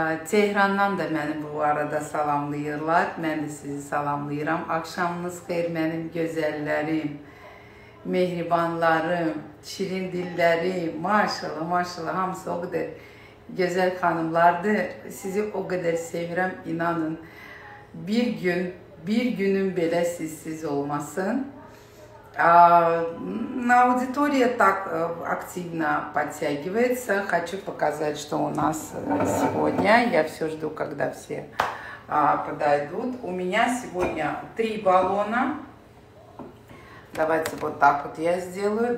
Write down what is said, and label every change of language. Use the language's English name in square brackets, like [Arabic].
[Azerbaijani] Tehrandan da məni bu arada salamlayırlar. Mən də sizi salamlayıram. Axşamınız xeyir mənim gözəllərim, mehribanlarım, şirin dillərim. Maşallah, maşallah, hamısı o qədər gözəl xanımlardır. Sizi o qədər sevirəm, inanın. Bir gün, bir günün belə sizsiz olmasın. [Russian] На аудитории так активно подтягивается. Хочу показать, что у нас сегодня. Я все жду, когда все подойдут. У меня сегодня три баллона. Давайте вот так вот я сделаю.